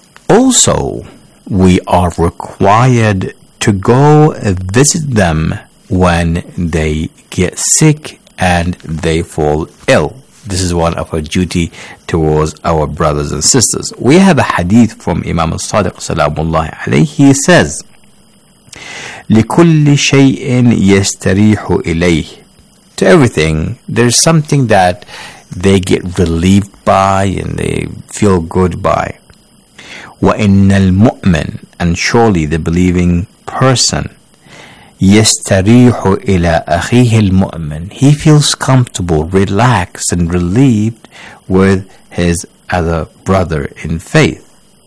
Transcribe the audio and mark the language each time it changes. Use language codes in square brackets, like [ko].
[en] Also, we are required to go visit them when they get sick and they fall ill. This is one of our duty towards our brothers and sisters. We have a hadith from Imam al-Sadiq salamullahi alayhi. He says, [ar] لكل شيء يستريح إليه. [en] To everything, there's something that they get relieved by and they feel good by. [ar] وَإِنَّ الْمُؤْمِنِ, [en] and surely the believing person, [ar] يَسْتَرِيحُ إِلَىٰ أَخِيهِ الْمُؤْمِنِ, [en] he feels comfortable, relaxed and relieved with his other brother in faith.